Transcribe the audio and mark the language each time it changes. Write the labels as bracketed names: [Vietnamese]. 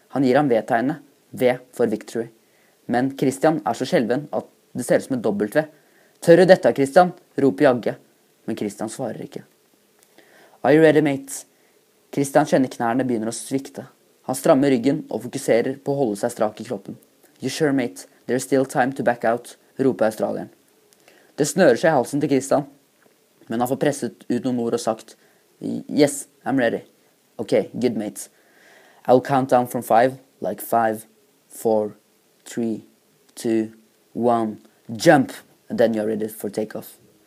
[Norwegian] Han gir ham V-tegnet, V for victory. Men Christian er så skjelven at det ser ut som et dobbelt V. Tør du dette, Christian? Roper Jagge. Men Christian svarer ikke. [English] Are you ready, mate? [Norwegian] Christian kjenner knærne begynner å svikte. Han strammer ryggen og fokuserer på å holde seg strak i kroppen. [English] You sure, mate? There is still time to back out, [Norwegian] roper australieren. Det snører seg i halsen til Christian, men han får presset ut noen ord og sagt [English] Yes, I'm ready. Ok, good, mate. I'll count down from 5, like 5, 4, 3, 2, 1, jump! And then you're ready for takeoff.